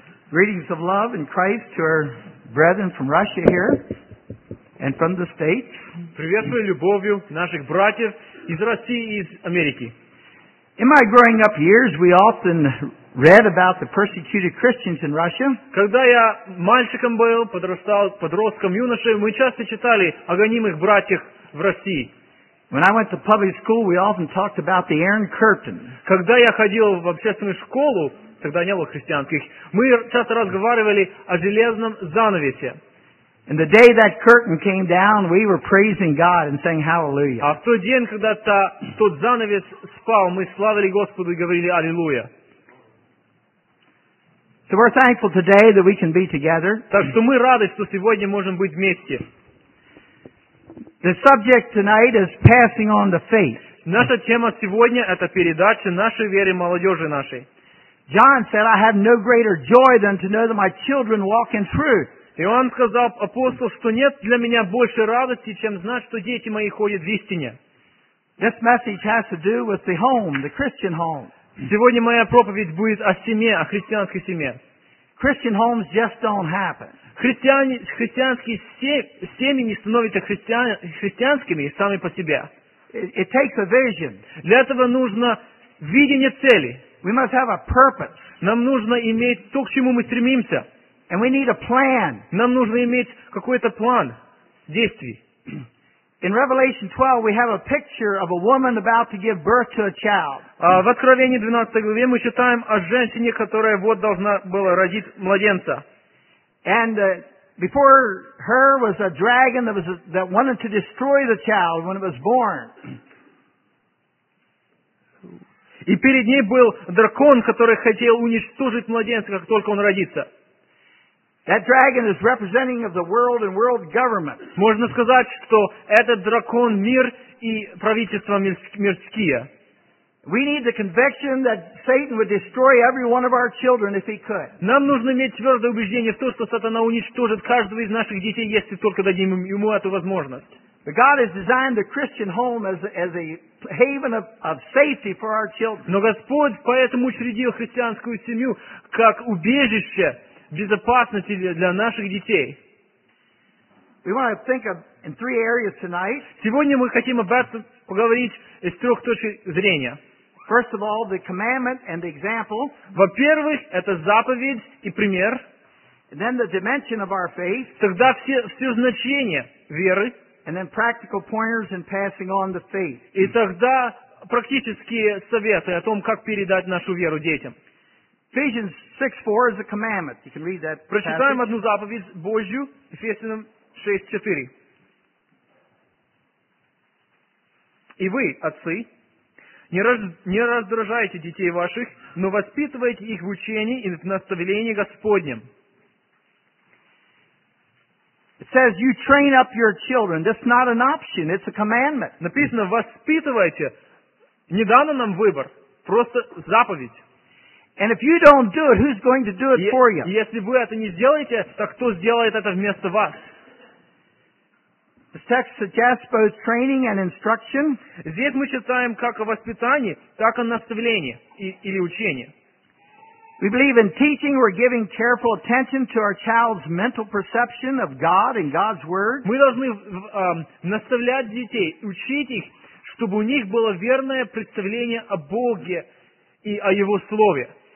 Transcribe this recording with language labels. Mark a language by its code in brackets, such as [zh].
[en] Greetings of love in Christ to our brethren from Russia here and from the States. [ru] Приветствую любовью наших братьев из России и из Америки. [en] In my growing up years, we often read about the persecuted Christians in Russia. [ru] Когда я мальчиком был, подрастал, подростком, юношей, мы часто читали о гонимых братьях в России. [en] When I went to public school, we often talked about the Iron Curtain. [ru] Когда я ходил в общественную школу, тогда не было христианских, мы часто разговаривали о железном занавесе. [en] And the day that curtain came down, we were praising God and saying hallelujah. [ru] А в тот день, когда тот занавес спал, мы славили Господу и говорили аллилуйя. [en] So we're thankful today that we can be together. [ru] Так что мы рады, что сегодня можем быть вместе. [en] The subject tonight is passing on the faith. [ru] Наша тема сегодня это передача нашей веры молодежи нашей. [en] John said, "I have no greater joy than to know that my children walk in truth." [ru] Иоанн сказал апостолу, что нет для меня большей радости, чем знать, что дети мои ходят в истине. [en] This message has to do with the home, the Christian home. [ru] Сегодня моя проповедь будет о семье, о христианской семье. [en] Christian homes just don't happen. [ru] Христианские семьи не становятся христианскими сами по себе. [en] It takes a vision. [ru] Для этого нужно видение цели. [en] We must have a purpose. [ru] Нам нужно иметь то, к чему мы стремимся. [en] And we need a plan. [ru] Нам нужно иметь какой-то план действий. [en] In Revelation 12, we have a picture of a woman about to give birth to a child. [ru] В Откровении 12 главе мы читаем о женщине, которая вот должна была родить младенца. [en] And before her was a dragon that wanted to destroy the child when it was born. [ru] И перед ней был дракон, который хотел уничтожить младенца, как только он родится. [en] That dragon is representing of the world and world government. [ru] Можно сказать, что этот дракон мир и правительства мирские. [en] We need the conviction that Satan would destroy every one of our children if he could. [ru] Нам нужно иметь твердое убеждение в том, что сатана уничтожит каждого из наших детей, если только дадим ему эту возможность. [en] But God has designed the Christian home as a haven of safety for our children. [ru] Но Господь поэтому учредил христианскую семью как убежище безопасности для наших детей. [en] We want to think of in three areas tonight. [ru] Сегодня мы хотим об этом поговорить из трех точек зрения. [en] First of all, the commandment and the example. [ru] Во-первых, это заповедь и пример. [en] And then the dimension of our faith. [ru] Тогда все значение веры. [en] And then practical pointers in passing on the faith. [ru] И тогда практические советы о том, как передать нашу веру детям. [en] Ephesians 6:4 is a commandment. You can read that. [ru] Прочитаем одну заповедь Божью, Ефесянам 6:4. И вы, отцы, не раздражайте детей ваших, но воспитывайте их в учении и в наставлении Господнем. [en] It says you train up your children. That's not an option, it's a commandment. [ru] Написано воспитывайте. Не дано нам выбор, просто заповедь. [en] And if you don't do it, who's going to do it for you? [ru] Если вы это не сделаете, то кто сделает это вместо вас? [en] The text suggests both training and instruction. [ru] Здесь мы читаем как о воспитании, так и наставлении или учении. [en] We believe in teaching, we're giving careful attention to our child's mental perception of God and God's Word. [ru] Мы должны наставлять детей, учить их, чтобы у них было верное представление о Боге и о Его Слове.